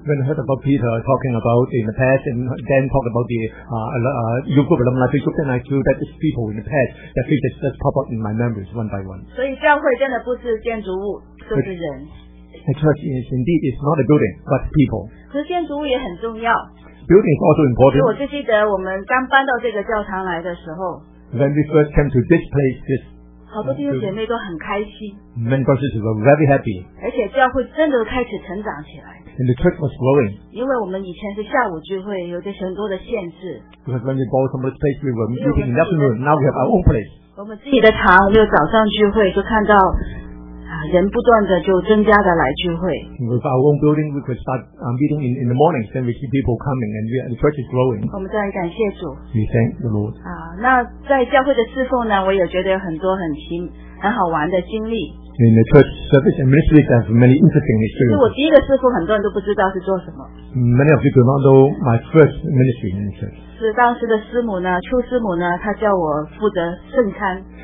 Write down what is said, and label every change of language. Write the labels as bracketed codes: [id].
[en] When I heard about Peter talking about in the past and Dan talked about the Youth Group Alumni Facebook, then I feel that these people in the past that faces just pop up in my memories one by one. [zh] 所以教会真的不是建筑物，就是人。 [en] The church is indeed is not a building, but people. [zh] 可是建筑物也很重要。 [en] Building is also important. [zh] 我就记得我们刚搬到这个教堂来的时候。 [en] When we first came to this place, this [zh] 好多弟兄姐妹都很开心。 [en] Many brothers were very happy. [zh] 而且教会真的开始成长起来。 [en] And the church was growing. [zh] 因为我们以前是下午聚会，有着很多的限制。 [en] Because when we bought some space, we were meeting in the afternoon. Now we have our own place. [zh] 我们自己的堂，就早上聚会就看到。人不断的就增加的来聚会。 [en] With our own building, we could start meeting in the morning. Then we see people coming, and the church is growing. [zh] 我们当然感谢主。 [en] We thank the Lord. [zh] 那在教会的侍奉呢，我也觉得有很多很好玩的经历。 [en] In the church service and ministry, there are many interesting experiences. [zh] 其实我第一个侍奉，很多人都不知道是做什么。 [en] Many of you do not know my first ministry in the church. [zh] 是当时的师母呢，邱师母呢，她叫我负责圣餐。